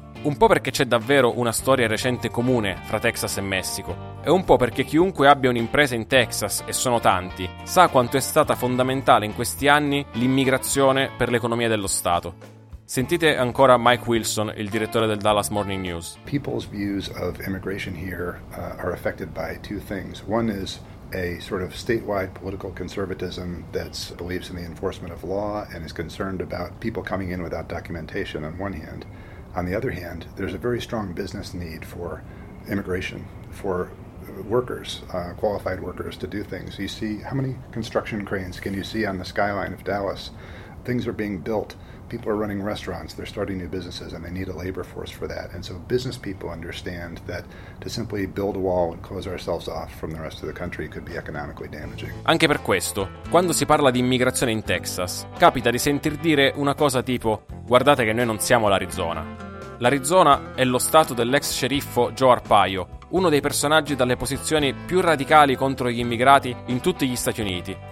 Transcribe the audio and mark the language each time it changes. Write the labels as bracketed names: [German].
[Italian] Un po' perché c'è davvero una storia recente comune fra Texas e Messico, e un po' perché chiunque abbia un'impresa in Texas, e sono tanti, sa quanto è stata fondamentale in questi anni l'immigrazione per l'economia dello Stato. Sentite ancora Mike Wilson, il direttore del Dallas Morning News. [English] People's views of immigration here are affected by two things. One is a sort of statewide political conservatism that believes in the enforcement of law and is concerned about people coming in without documentation on one hand. On the other hand, there's a very strong business need for immigration, for workers, qualified workers to do things. You see, how many construction cranes can you see on the skyline of Dallas? Things are being built. People are running restaurants, they're starting new businesses, and they need a labor force for that. And so business people understand that to simply build a wall and close ourselves off from the rest of the country could be economically damaging. [Italian] Anche per questo, quando si parla di immigrazione in Texas, capita di sentir dire una cosa tipo: guardate che noi non siamo l'Arizona. L'Arizona è lo stato dell'ex sceriffo Joe Arpaio, uno dei personaggi dalle posizioni più radicali contro gli immigrati in tutti gli Stati Uniti.